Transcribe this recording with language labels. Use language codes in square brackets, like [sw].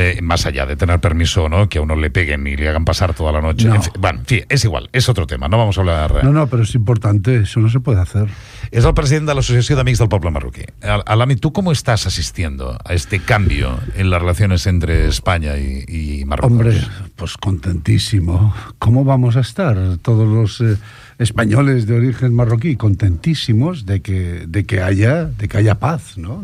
[es] Más allá de tener permiso o no, que a uno le peguen y le hagan pasar toda la noche. No. Es igual, es otro tema. No vamos a hablar... No, pero es importante. Eso no se puede hacer. [ca] És el president de l'Associació d'Amics del Poble Marroquí. [es] Alami, ¿tú cómo estás asistiendo a este cambio en las relaciones entre España y Marruecos? Hombre, pues contentísimo. ¿Cómo vamos a estar todos los españoles de origen marroquí? Contentísimos de que haya paz, ¿no?